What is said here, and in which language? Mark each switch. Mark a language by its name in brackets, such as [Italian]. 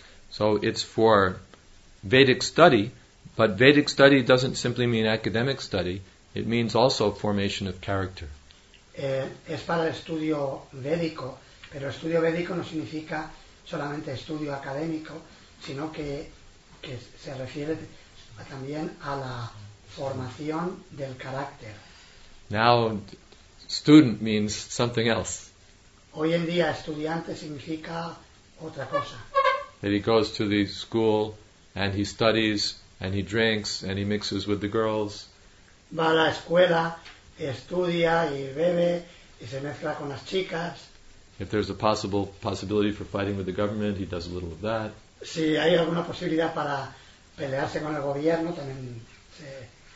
[English] So it's for Vedic study, but Vedic study doesn't simply mean academic study, it means also formation of character. [Spanish] Es para el estudio védico, pero estudio védico no significa solamente estudio académico, sino que se refiere también a la formación del carácter. [English] Now, student means something else. [Spanish] Hoy en día, estudiante significa otra cosa. [English] That he goes to the school and he studies and he drinks and he mixes with the girls. [Spanish] Va a la escuela, estudia y bebe y se mezcla con las chicas. [English] If there's a possibility for fighting with the government, he does a little of that. [Spanish] Si hay alguna posibilidad para pelearse con el gobierno, también se